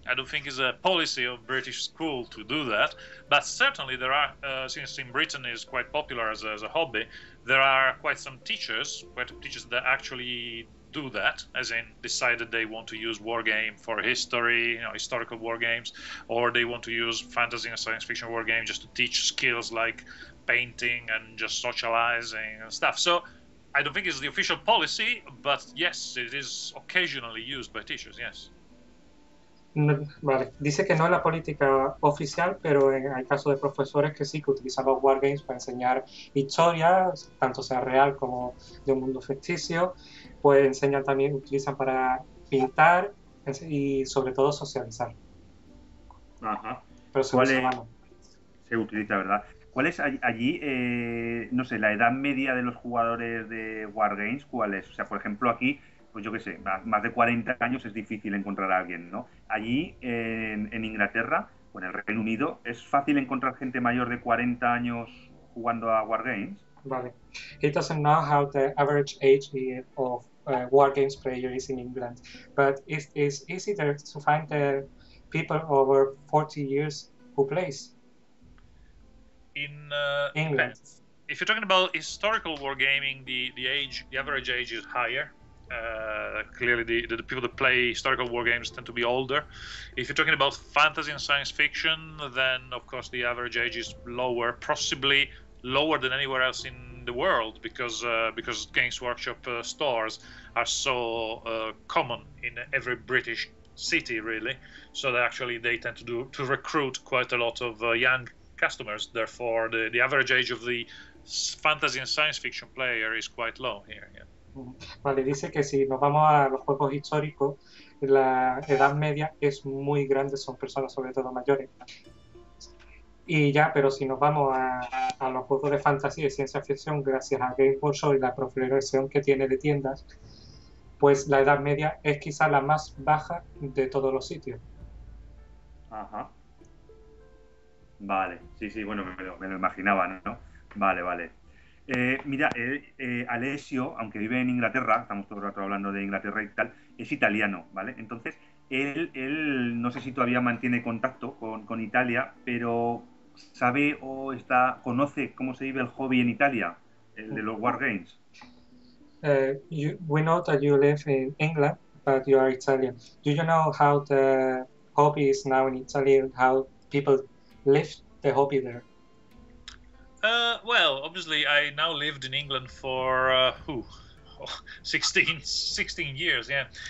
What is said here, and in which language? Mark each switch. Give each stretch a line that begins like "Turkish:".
English: I don't think it's a policy of British school to do that. But certainly there are, since in Britain is quite popular as a hobby, there are quite some teachers that actually do that, as in decided they want to use war game for history, you know, historical war games, or they want to use fantasy and science fiction war game just to teach skills like painting and just socializing and stuff. So I don't think it's the official policy, but yes, it is occasionally used by teachers, yes.
Spanish: Vale. Dice que no es la política oficial, pero en el caso de profesores que sí, que utilizan los wargames para enseñar historia, tanto sea real como de un mundo ficticio, pues enseñan también, utilizan para pintar y sobre todo socializar. Ajá. Pero se utiliza, ¿verdad? ¿Cuál es allí, no sé, la edad media de los jugadores de Wargames? ¿Cuál es? O sea, por ejemplo, aquí, pues yo qué sé, más de 40 años es difícil encontrar a alguien, ¿no? Allí, en Inglaterra, o en el Reino Unido, ¿es fácil encontrar gente mayor de 40 años jugando a Wargames? Vale.
English: He doesn't know how the average age of Wargames player is in England, but it is easier to find the people over 40 years who plays. In England. If you're talking about historical wargaming, the average age is higher. Clearly, the people that play historical wargames tend to be older. If you're talking about fantasy and science fiction, then of course the average age is lower, possibly lower than anywhere else in the world, because Games Workshop stores are so common in every British city, really. So that actually they tend to recruit quite a lot of young customers. Therefore, the average age of the fantasy and science fiction player is quite low here. Yeah.
Spanish: Vale, dice que si nos vamos a los juegos históricos, la edad media es muy grande, son personas sobre todo mayores. Y ya, pero si nos vamos a los juegos de fantasía y ciencia ficción, gracias a Game Workshop y la proliferación que tiene de tiendas, pues la edad media es quizá la más baja de todos los sitios. Ajá. Vale, sí, sí, bueno, me lo imaginaba, ¿no? Vale, vale. Mira, Alessio, aunque vive en Inglaterra, estamos todo el rato hablando de Inglaterra y tal, es italiano, ¿vale? Entonces, él no sé si todavía mantiene contacto con Italia, pero ¿sabe o está conoce cómo se vive el hobby en Italia, el de los wargames?
English: We know that you live in England, but you are Italian. Do you know how the hobby is now in Italy and how people live the hobby there? Well, obviously, I now lived in England for 16 years, yeah.